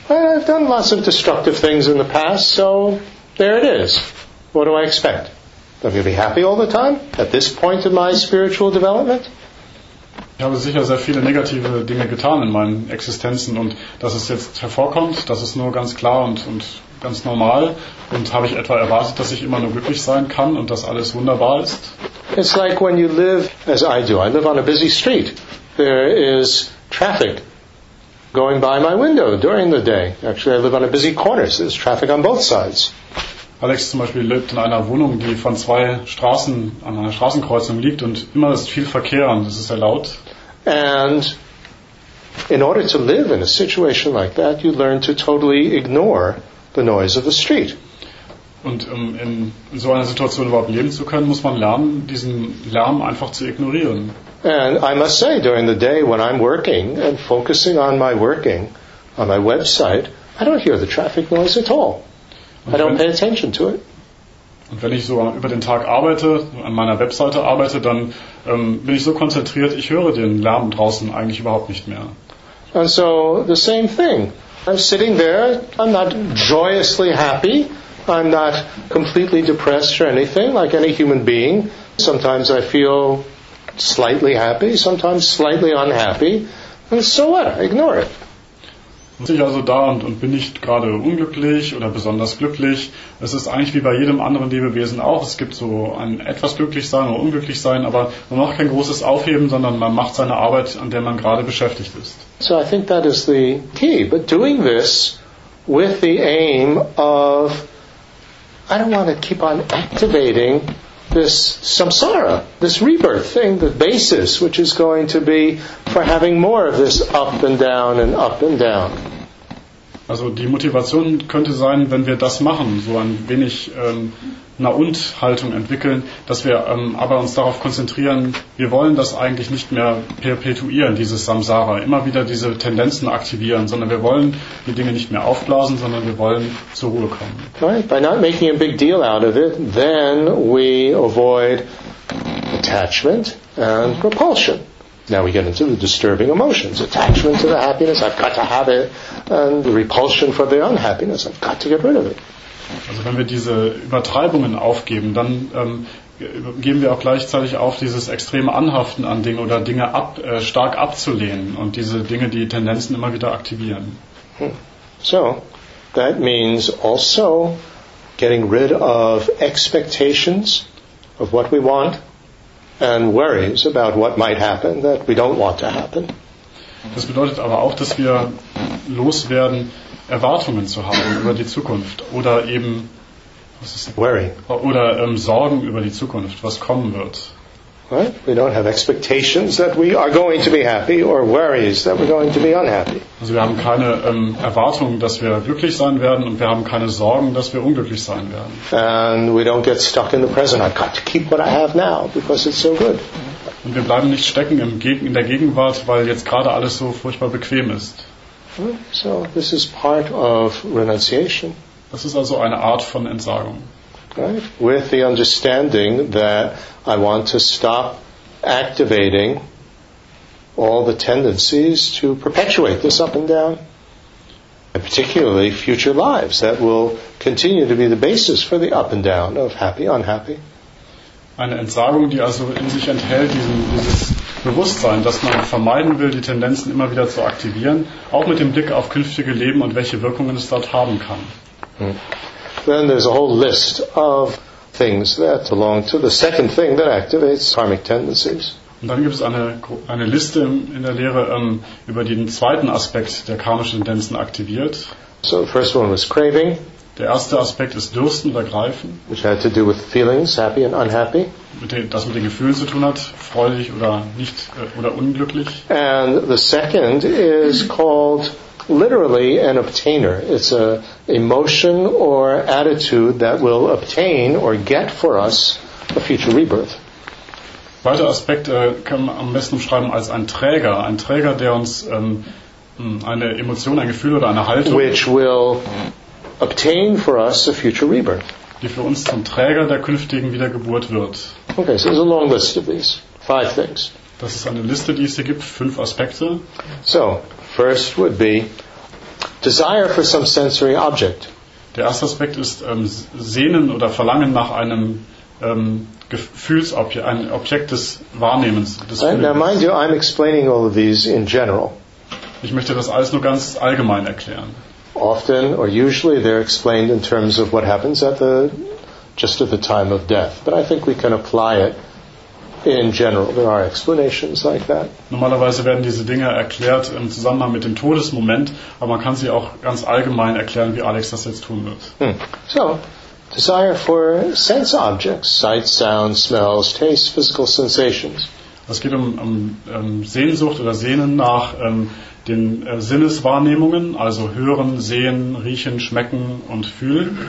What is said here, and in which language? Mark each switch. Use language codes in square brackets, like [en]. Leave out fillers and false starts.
[en] I've done lots of destructive things in the past, so there it is. What do I expect? I'm going to be happy all the time at this point in my spiritual development? [de] Ich habe sicher sehr viele negative Dinge getan in meinen Existenzen und dass es jetzt hervorkommt, das ist nur ganz klar und ganz normal. Und habe ich etwa erwartet, dass ich immer nur glücklich sein kann und dass alles wunderbar ist? [en] It's like when you live, as I do, I live on a busy street. There is traffic going by my window during the day. Actually, I live on a busy corner, so there's traffic on both sides. [de] Alex zum Beispiel lebt in einer Wohnung, die von zwei Straßen an einer Straßenkreuzung liegt und immer ist viel Verkehr und es ist sehr laut. [en] And in order to live in a situation like that, you learn to totally ignore the noise of the street. [de] Und in so einer Situation überhaupt leben zu können, muss man lernen, diesen Lärm einfach zu ignorieren. [en] And I must say, during the day when I'm working and focusing on my working, on my website, I don't hear the traffic noise at all. I don't pay attention to it. [de] Und wenn ich so über den Tag arbeite, an meiner Webseite arbeite, dann bin ich so konzentriert, ich höre den Lärm draußen eigentlich überhaupt nicht mehr. [en] And so the same thing. I'm sitting there, I'm not joyously happy, I'm not completely depressed or anything, like any human being. Sometimes I feel slightly happy, sometimes slightly unhappy. And so what? I ignore it. [de] Sitze ich also da und bin nicht gerade unglücklich oder besonders glücklich. Es ist eigentlich wie bei jedem anderen Lebewesen auch. Es gibt so ein etwas glücklich sein oder unglücklich sein, aber man macht kein großes Aufheben, sondern man macht seine Arbeit, an der man gerade beschäftigt ist. [en] So I think that is the key. But doing this with the aim of, I don't want to keep on activating this samsara, this rebirth thing, the basis, which is going to be for having more of this up and down and up and down. [de] Also die Motivation könnte sein, wenn wir das machen, so ein wenig Na-und-Haltung entwickeln, dass wir aber uns darauf konzentrieren, wir wollen das eigentlich nicht mehr perpetuieren, dieses Samsara, immer wieder diese Tendenzen aktivieren, sondern wir wollen die Dinge nicht mehr aufblasen, sondern wir wollen zur Ruhe kommen. [en] Right. By not making a big deal out of it, then we avoid attachment and repulsion. Now we get into the disturbing emotions. Attachment to the happiness, I've got to have it. And the repulsion for the unhappiness, I've got to get rid of it. [de] Also wenn wir diese Übertreibungen aufgeben, dann geben wir auch gleichzeitig auf, dieses extreme Anhaften an Dinge oder Dinge stark abzulehnen und diese Dinge, die Tendenzen immer wieder aktivieren. [en] So, that means also getting rid of expectations of what we want and worries about what might happen that we don't want to happen. [de] Das bedeutet aber auch, dass wir loswerden, Erwartungen zu haben über die Zukunft oder eben was ist worry. Oder Sorgen über die Zukunft, was kommen wird. [en] Right? We don't have expectations that we are going to be happy or worries that we're going to be unhappy. [de] Also wir haben keine Erwartungen, dass wir glücklich sein werden und wir haben keine Sorgen, dass wir unglücklich sein werden. [en] And we don't get stuck in the present. I've got to keep what I have now because it's so good. [de] Und wir bleiben nicht stecken in der Gegenwart, weil jetzt gerade alles so furchtbar bequem ist. [en] So this is part of renunciation. [de] Das ist also eine Art von Entsagung. [en] Right? With the understanding that I want to stop activating all the tendencies to perpetuate this up and down, and particularly future lives that will continue to be the basis for the up and down of happy, unhappy. [de] Eine Entsagung, die also in sich enthält, dieses Bewusstsein, dass man vermeiden will, die Tendenzen immer wieder zu aktivieren, auch mit dem Blick auf künftige Leben und welche Wirkungen es dort haben kann. [en] Then there's a whole list of things that belong to the second thing that activates karmic tendencies. [de] Und dann gibt es eine Liste in der Lehre über den zweiten Aspekt, der karmische Tendenzen aktiviert. [en] So the first one was craving. [de] Der erste Aspekt ist Dürsten oder Greifen. [en] Which had to do with feelings, happy and unhappy. [de] Das mit den Gefühlen zu tun hat, freudig oder nicht oder unglücklich. [en] And the second is called literally an obtainer. It's a emotion or attitude that will obtain or get for us a future rebirth. [de] Weiterer Aspekt kann man am besten umschreiben als ein Träger, der uns eine Emotion, ein Gefühl oder eine Haltung. [en] Which will obtain for us a future rebirth. [de] Die für uns zum Träger der künftigen Wiedergeburt wird. [en] Okay, so there's a long list of these. Five things. [de] Das ist eine Liste, die es hier gibt, fünf Aspekte. [en] So, first would be desire for some sensory object. [de] Der erste Aspekt ist Sehnen oder Verlangen nach einem Gefühlsobjekt, ein Objekt des Wahrnehmens. Des [en] Right? Now mind you, I'm explaining all of these in general. [de] Ich möchte das alles nur ganz allgemein erklären. [en] Often or usually they're explained in terms of what happens just at the time of death. But I think we can apply it in general. There are explanations like that. [de] Normalerweise werden diese Dinge erklärt im Zusammenhang mit dem Todesmoment, aber man kann sie auch ganz allgemein erklären, wie Alex das jetzt tun wird. [en] So, desire for sense objects, sights, sounds, smells, tastes, physical sensations. [de] Es geht um Sehnsucht oder Sehnen nach den Sinneswahrnehmungen, also hören, sehen, riechen, schmecken und fühlen.